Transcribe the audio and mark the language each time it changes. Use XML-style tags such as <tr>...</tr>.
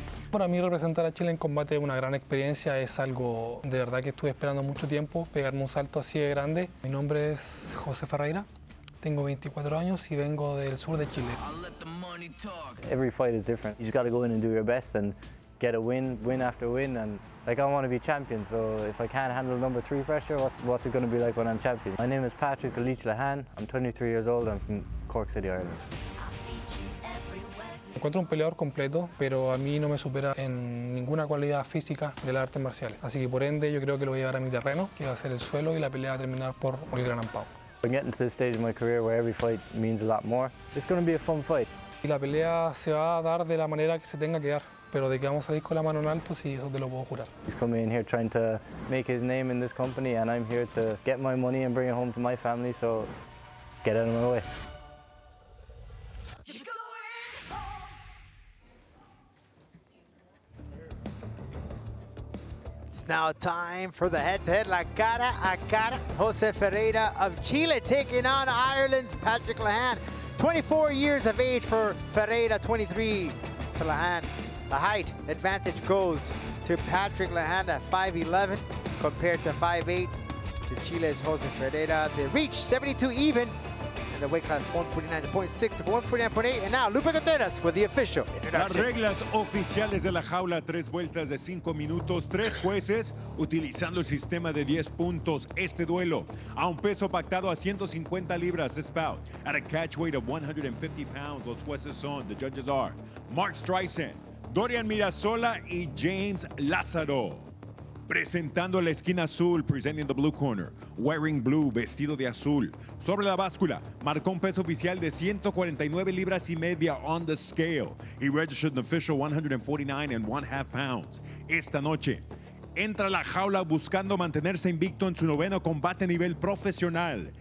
<es>Para mí representar a Chile en combate es una gran experiencia, es algo de verdad que estuve esperando mucho tiempo, pegarme un salto así de grande. Mi nombre es José Ferreira, tengo 24 años y vengo del sur de Chile.</es> <en>Every fight is different. You just got to go in and do your best and get a win, win after win. And like, I want to be champion, so if I can't handle number three pressure, what's it going to be like when I'm champion? My name is Patrick Leach Lehane, I'm 23 years old, I'm from Cork City, Ireland.</en> <es>Encuentro un peleador completo, pero a mí no me supera en ninguna cualidad física de las artes marciales. Así que por ende, yo creo que lo voy a llevar a mi terreno, que va a ser el suelo y la pelea va a terminar por el gran ampau.</es> <en>I'm getting to this stage in my career where every fight means a lot more. It's going to be a fun fight.</en> <es>Y la pelea se va a dar de la manera que se tenga que dar, pero de que vamos a salir con la mano en alto, sí, eso te lo puedo jurar.</es> <en>He's coming in here trying to make his name in this company, and I'm here to get my money and bring it home to my family, so get out of my way. Now time for the head-to-head,</en> <es>la cara a cara.</es> <en>Jose Ferreira of Chile taking on Ireland's Patrick Lehane. 24 years of age for Ferreira, 23 to Lehane. The height advantage goes to Patrick Lehane at 5'11", compared to 5'8", to Chile's Jose Ferreira. They reach 72 even, and the weight class 149.6 to 149.8. And now, Lupe Contreras with the official.</en> <es>Las reglas oficiales de la jaula, tres vueltas de 5 minutos, tres jueces utilizando el sistema de 10 puntos. Este duelo a un peso pactado a 150 libras, es bout.</es> <en>At a catch weight of 150 pounds,</en> <es>los jueces son,</es> <en>the judges are, Mark Streisand, Dorian Mirasola y James Lázaro.</en> <es>Presentando la esquina azul,</es> <en>presenting the blue corner, wearing blue,</en> <es>vestido de azul. Sobre la báscula, marcó un peso oficial de 149 libras y media</es> <en>on the scale. He registered an official 149 and one half pounds.</en> <es>Esta noche, entra a la jaula buscando mantenerse invicto en su noveno combate a nivel profesional.</es>